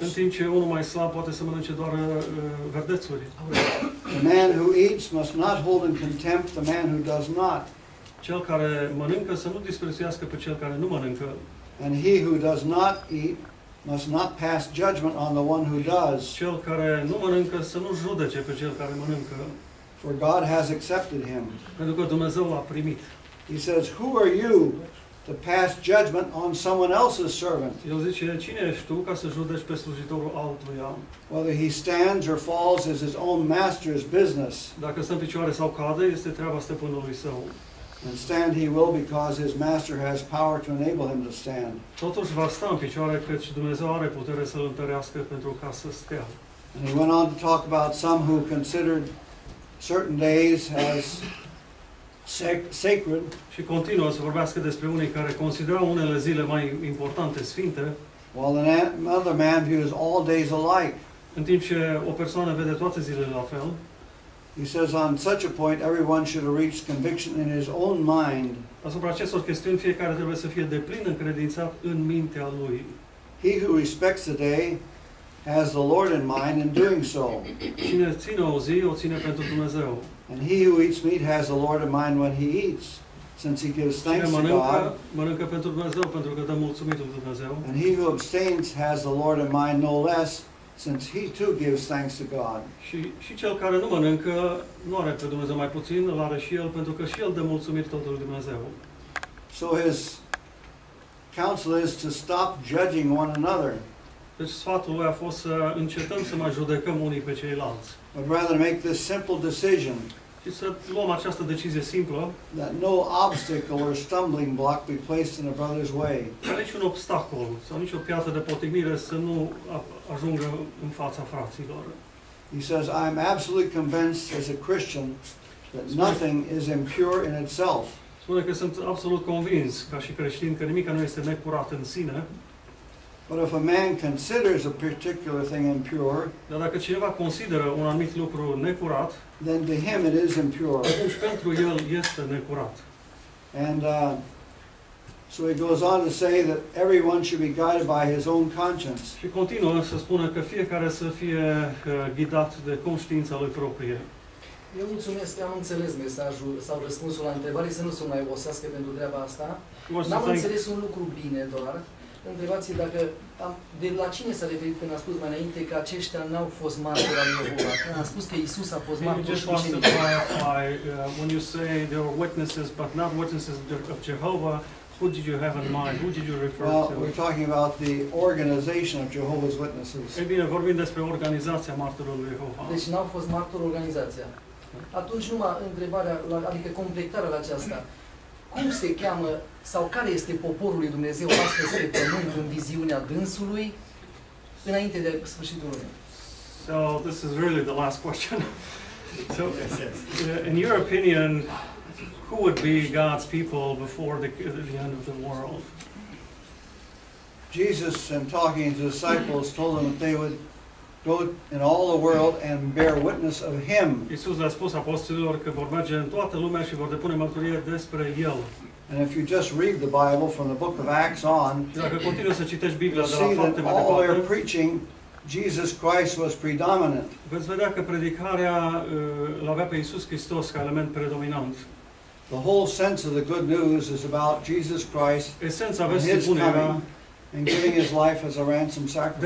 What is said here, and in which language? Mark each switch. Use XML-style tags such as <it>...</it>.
<ro>În timp ce unul mai slab poate să mănânce doar verdețuri.</ro> <en>The man who eats must not hold in contempt the man who does not.</en> <ro>Cel care mănâncă să nu disprețuiască pe cel care nu mănâncă.</ro> <en>And he who does not eat must not pass judgment on the one who does.</en> <ro>Cel care nu mănâncă să nu judece pe cel care mănâncă.</ro> <en>For God has accepted him.</en> <ro>Pentru că Dumnezeu l-a primit.</ro> <en>He says, who are you to pass judgment on someone else's servant.</en> <ro>El zice, cine ești tu ca să judeci pe slujitorul altuia?</ro> <en>Whether he stands or falls is his own master's business.</en> <ro>Dacă stă în picioare sau cade, este treaba stăpânului său.</ro> <en>And stand he will because his master has power to enable him to stand.</en> <ro>Totuși va sta în picioare căci Dumnezeu are putere să-l întărească pentru ca să stea.</ro> <en>And he went on to talk about some who considered certain days as sacred.</en> <ro>Și continuă să vorbească despre unii care considerau unele zile mai importante sfinte.</ro> <en>While another man views all days alike.</en> <ro>În timp ce o persoană vede toate zilele la fel.</ro> <en>He says on such a point everyone should have reached conviction in his own mind.</en> <ro>Asupra acestor chestiuni fiecare trebuie să fie deplin încredințat în mintea lui.</ro> <en>He who respects the day has the Lord in mind in doing so.</en> <ro>Cine ține o zi, o ține pentru Dumnezeu.</ro> <en>And he who eats meat has the Lord in mind when he eats, since he gives thanks</en> <ro>mănâncă,</ro> <en>to God.</en> <ro>Mănâncă pentru Dumnezeu, pentru că dă mulțumitul Dumnezeu.</ro> <en>And he who abstains has the Lord in mind no less, since he too gives thanks to God.</en> <ro>Și cel care nu mănâncă, nu are pe Dumnezeu mai puțin, îl are și el, pentru că și el dă mulțumit totul Dumnezeu.</ro> <en>So his counsel is to stop judging one another.</en> <ro>Deci sfatul lui a fost să încetăm să mai judecăm unii pe ceilalți.</ro> <en>But rather make this simple decision.</en> <ro>Și să luăm această decizie simplă.</ro> <en>That no obstacle or stumbling block be placed in a brother's way.</en> <ro>Niciun obstacol sau nicio piatră de potignire să nu ajungă în fața fraților.</ro> <en>He says, I am absolutely convinced as a Christian that nothing is impure in itself.</en> <ro>Spune că sunt absolut convins ca și creștin că nimic nu este necurat în sine.</ro> <en>But if a man considers a particular thing impure,</en> <ro>dar dacă cineva consideră un anumit lucru necurat,</ro> <en>then to him it is impure.</en> <ro>Atunci pentru el este necurat.</ro> <en>And so he goes on to say that everyone should be guided by his own conscience.</en> <ro>Și continuă să spună că fiecare să fie ghidat de conștiința lui proprie. Eu mulțumesc că am înțeles mesajul sau răspunsul la întrebare, să nu se mai obosească pentru treaba asta. N-am înțeles un lucru bine doar. Întrebați-i dacă, de la cine s-a referit când a spus mai înainte că aceștia n-au fost martori al Iehova? Când a spus că Iisus a fost martor și ucenicii.</ro> <en>Just want to clarify, when you say there were witnesses, but not witnesses of Jehovah, who did you have in mind? Who did you refer well, to? Well, we're talking about the organization of Jehovah's Witnesses.</en> <ro>Ei bine, vorbim despre organizația martorului Iehova. Deci n-au fost martori organizația. Atunci numai întrebarea, adică completarea la aceasta. Cum se cheamă sau care este poporul lui Dumnezeu astăzi pe pământ în viziunea dânsului înainte de sfârșitul lumii?</ro> <en>So this is really the last question. So yes, yes. In your opinion, who would be God's people before the end of the world? Jesus, in talking to the disciples, told them that they would go in all the world and bear witness of him.</en> <ro>Iisus a spus apostolilor că vor merge în toată lumea și vor depune mărturie despre el. And if you just read the Bible from the book of Acts on, dacă continui să citești Biblia de la Fapte, vei vedea</ro> <en>all their preaching Jesus Christ was predominant.</en> <ro>Veți vedea că predicarea l-avea pe Iisus Hristos ca element predominant.</ro> <en>The whole sense of the good news is about Jesus Christ.</en> <ro>Esența vestii bune era</ro> <en>and giving his life as a ransom sacrifice.</en>